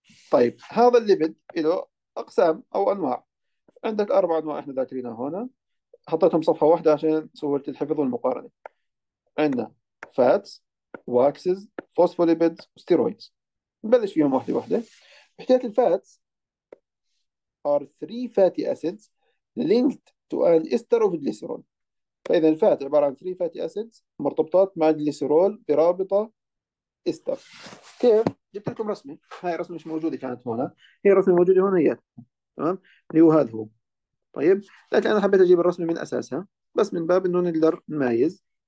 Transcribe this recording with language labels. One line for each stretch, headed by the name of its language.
Arabic: طيب هذا الليبيد له اقسام او انواع، عندك 4 انواع احنا ذاكرينها هنا، حطيتهم صفحة واحدة عشان سهولة الحفظ والمقارنة. عندنا فاتس، واكسز، فوسفوليبيدز، وستيرويدز. نبلش فيهم واحدة واحدة. بحكاية الفاتس
English: are three fatty acids linked to an ester of glycerol.
Arabic: فإذا الفات عبارة عن
English: three fatty acids
Arabic: مرتبطات مع الجليسرول برابطة ester. كيف؟ جبت لكم رسمة، هاي رسمة مش موجودة كانت هنا، هي رسمة موجودة هنا هي، تمام؟ اللي هو هذا هو. طيب، لكن أنا حبيت أجيب الرسمة من أساسها، بس من باب إنه نقدر نميز.